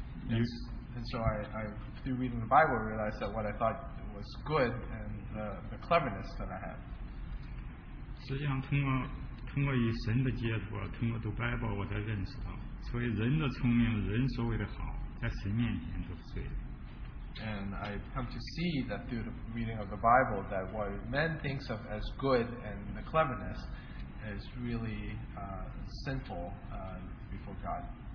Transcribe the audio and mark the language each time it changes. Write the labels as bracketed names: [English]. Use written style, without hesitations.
[English] And so I through reading the Bible realized that what I thought was good and the cleverness that I had. [Chinese] 实际上通过与神的接触，通过读 Bible， 我才认识到，所以人的聪明，人所谓的好，在神面前都是罪的。 [English] And I come to see that through the reading of the Bible that what men thinks of as good and the cleverness is really sinful before God.